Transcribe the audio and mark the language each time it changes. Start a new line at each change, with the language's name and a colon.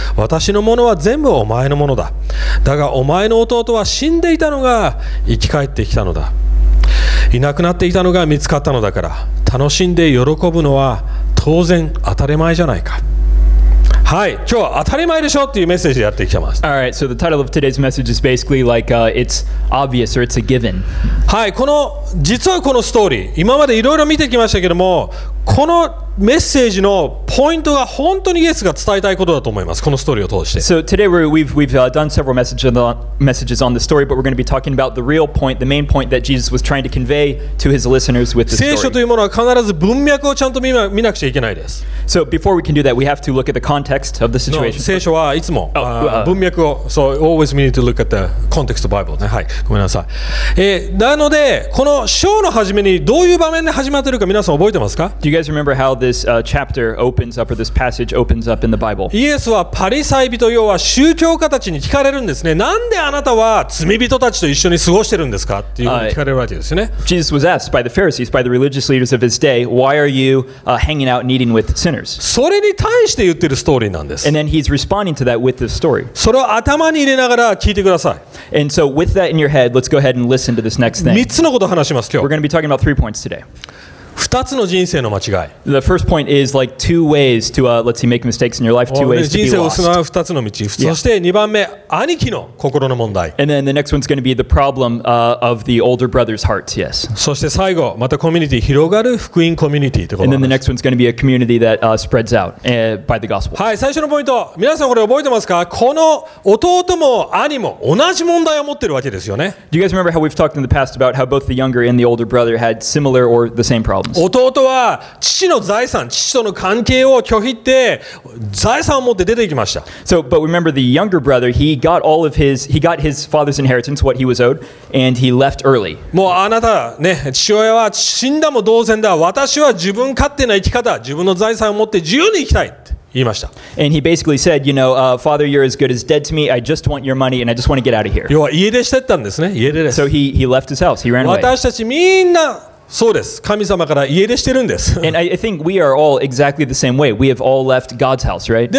Japanese: 私のものは全部お前のものだ。だがお前の弟は死んでいたのが生き返ってきたのだ。いなくなっていたのが見つかったのだから楽しんで喜ぶのは当然当たり前じゃないか。はい、今日は当たり前でしょっていうメッセージでやってきてます。
English: All right, so the title of today's message is basically like it's obvious or it's a given.
Japanese: はい、この実はこのストーリー今までいろいろ見てきましたけども、このメッセージのポイントが本当にイエスが伝えたいことだと思います。このストーリーを通して。
English: So today we've done several messages on the story, but we're going to be talking about the real point, the main point that Jesus was trying to convey to his listeners with this story.
Japanese: 聖書というものは必ず文脈をちゃんと見なくちゃいけないです。
English: So before we can do that, we have to look at the context of the situation. No,
Japanese: 聖書はいつも文脈を、
English: so always we need to look at the context of Bible.
Japanese: はい、ごめんなさい。なのでこの章の始めにどういう場面で始まっているか皆さん覚えてますか？
English: Do you guys remember how this chapter opens up or this passage opens up in the Bible?
Japanese: イエスはパリサイ人、要は宗教家たちに聞かれるんですね。なんであなたは罪人たちと一緒に過ごしてるんですかっていうふうに聞かれるわけですよね。
English: Jesus was asked by the Pharisees, by the religious leaders of his day, why are you hanging out and eating with sinners?
Japanese: それに対して言ってるストーリーなんです。
English: And then he's responding to that with this story.
Japanese: それを頭に入れながら聞いてください。
English: And so with that in your head, let's go ahead and listen to this next thing.
Japanese: 3つのことを話します今日。
English: We're going to be talking about three points today.
Japanese: 2つの人生の間違い。
English: The first point is like two ways to let's see make mistakes in your life, two ways to be lost.
Japanese: 人生を失う2つの道。Yeah. そして2番目、兄貴の心の問題。
English: And then the next one's going to be the problem of the older brother's heart, yes.
Japanese: そして最後、またコミュニティ広がる福音コミュニティってことです。
English: And then the next one's going to be a community that spreads out by the gospel.
Japanese: はい、最初のポイント、皆さんこれ覚えてますか？この弟も兄も同じ問題を持ってるわけですよね。
English: Do you guys remember how we've talked in the past about how both the younger and the older brother had similar or the same problem? comes.
Japanese: 弟は父の財産、父との関係を拒否って財産を持って出て行きました。
English: So, but remember the younger brother, he got all of his, he got his father's inheritance, what he was owed, and he left early.
Japanese: もうあなたね、父親は死んだも同然だ。私は自分勝手な生き方、自分の財産を持って自由に生きたい。
English: And he basically said, you know, father, you're as good as dead to me. I just want your money and I just want to get out of here.
Japanese: 要は家出してったんですね。家出です。
English: So he left his house. He ran away.
Japanese: 私たちみんなそうです。神様から家出してるんです。
English: And I think we are all exactly the same way. We have all left God's house, right?